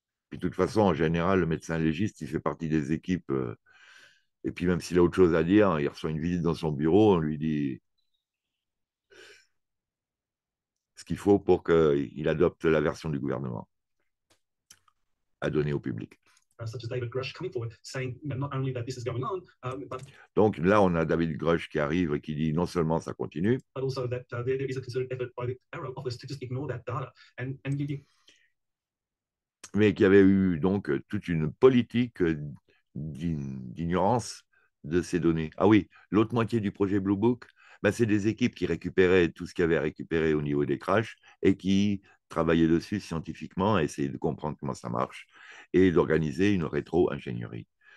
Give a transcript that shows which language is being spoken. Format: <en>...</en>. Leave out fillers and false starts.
<fr>Puis de toute façon, en général, le médecin légiste, il fait partie des équipes. Et puis même s'il a autre chose à dire, il reçoit une visite dans son bureau, on lui dit ce qu'il faut pour qu'il adopte la version du gouvernement à donner au public.</fr> <en>Such as David Grush coming forward, saying not only that this is going on, but...</en> <fr>Donc là, on a David Grush qui arrive et qui dit non seulement ça continue,</fr> <en>but also that there is a concerted effort by the Arrow office to just ignore that data. And you...</en> <fr>Mais qu'il y avait eu donc toute une politique d'ignorance de ces données. Ah oui, l'autre moitié du projet Blue Book, ben c'est des équipes qui récupéraient tout ce qu'il y avait à récupérer au niveau des crashs et qui travaillaient dessus scientifiquement, essayaient de comprendre comment ça marche et d'organiser une rétro-ingénierie.</fr>